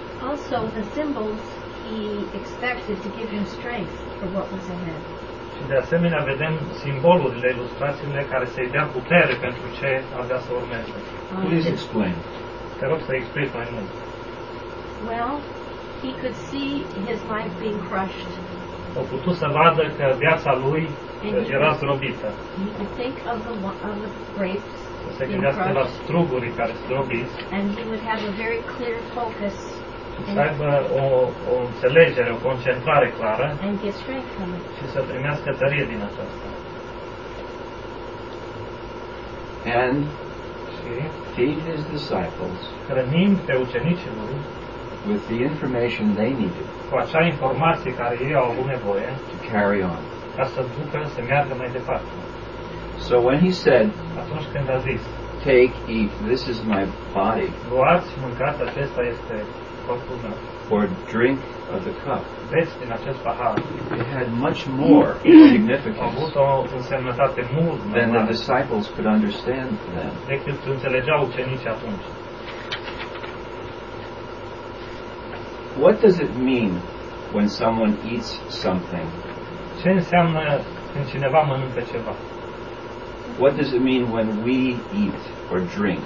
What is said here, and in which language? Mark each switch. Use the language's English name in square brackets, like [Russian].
[English] Also, the symbols he expected to give him strength for what was ahead. [Romanian] Și de asemenea vedem simbolurile, ilustrațiile care să-i dea putere pentru ce avea să urmeze. [English] Please explain. [Romanian] Te rog să explici mai mult. [English] Well, he could see his life being crushed. [Romanian] A putut să vadă că viața lui era zdrobită. [English] He could think of the grapes. [Romanian] Se gândească la strugurii care zdrobiți. [English] And he would have a very clear focus. [Romanian] Să aibă o înțelegere, o concentrare clară și să primească tărie din aceasta. [English] And feed his disciples, [Romanian] hrănind pe ucenicii lui, [English] with the information they needed [Romanian] cu acea informație care ei au avut nevoie [English] to carry on. [Romanian] Ca să ducă, să meargă mai departe. [English] So when he said, [Romanian] atunci când a zis, [English] take, eat, this is my body, [Romanian] luați, mâncați, acesta este corpul meu, [English] or drink of the cup, [Romanian] beți din acest pahar, [English] it had much more significance [Romanian] a avut o însemnătate mult mai [English] than the disciples could understand then. [Romanian] Decât înțelegeau ucenicii atunci. [English] What does it mean when someone eats something? [Romanian] Ce înseamnă când cineva mănâncă ceva? [English] What does it mean when we eat or drink?